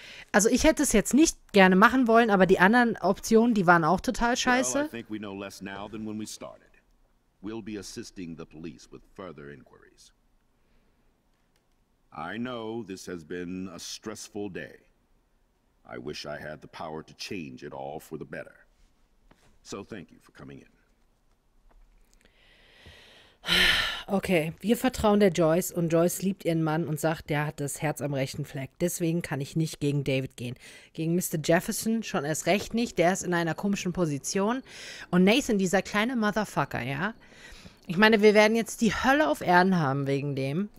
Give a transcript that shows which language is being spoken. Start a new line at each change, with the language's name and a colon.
German: Also ich hätte es jetzt nicht gerne machen wollen, aber die anderen Optionen, die waren auch total scheiße.
English: Well, I think we know less now than when we started. We'll be assisting the police with further inquiries. I know this has been a stressful day. I wish I had the power to change it all for the better. So thank you for coming in.
German: Okay, wir vertrauen der Joyce und Joyce liebt ihren Mann und sagt, der hat das Herz am rechten Fleck. Deswegen kann ich nicht gegen David gehen. Gegen Mr. Jefferson schon erst recht nicht, der ist in einer komischen Position. Und Nathan, dieser kleine Motherfucker, ja? Ich meine, wir werden jetzt die Hölle auf Erden haben wegen dem.